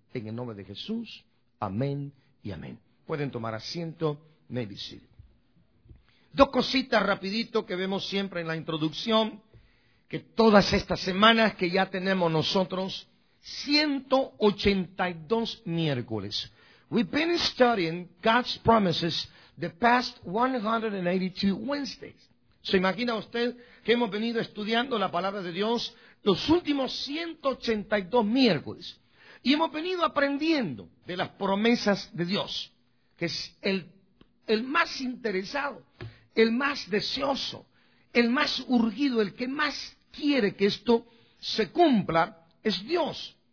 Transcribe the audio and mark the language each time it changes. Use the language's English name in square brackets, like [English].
[Spanish] En el nombre de Jesús, amén y amén. Pueden tomar asiento, [English] may be seated. [Spanish] Dos cositas rapidito que vemos siempre en la introducción, que todas estas semanas que ya tenemos nosotros, 182 miércoles. [English] We've been studying God's promises the past 182 Wednesdays. [Spanish] ¿Se imagina usted que hemos venido estudiando la Palabra de Dios los últimos 182 miércoles? Y hemos venido aprendiendo de las promesas de Dios, que es el más interesado, el más deseoso, el más urgido, el que más quiere que esto se cumpla, es Dios.